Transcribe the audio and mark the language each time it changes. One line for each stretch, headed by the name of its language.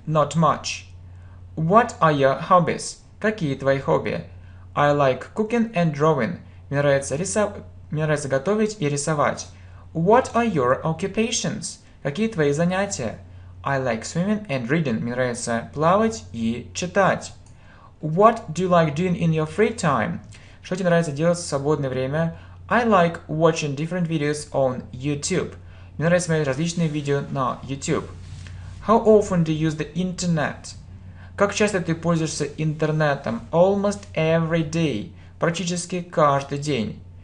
English: Not much. What are your hobbies?
Russian: Какие твои хобби?
English: I like cooking and drawing.
Russian: Мне нравится готовить и рисовать.
English: What are your occupations?
Russian: Какие твои занятия?
English: I like swimming and reading.
Russian: Мне нравится плавать и читать.
English: What do you like doing in your free time?
Russian: Что тебе нравится делать в свободное время?
English: I like watching different videos on YouTube.
Russian: Мне нравится смотреть различные видео на YouTube.
English: How often do you use the internet?
Russian: Как часто ты пользуешься интернетом?
English: Almost every day.
Russian: Практически каждый день.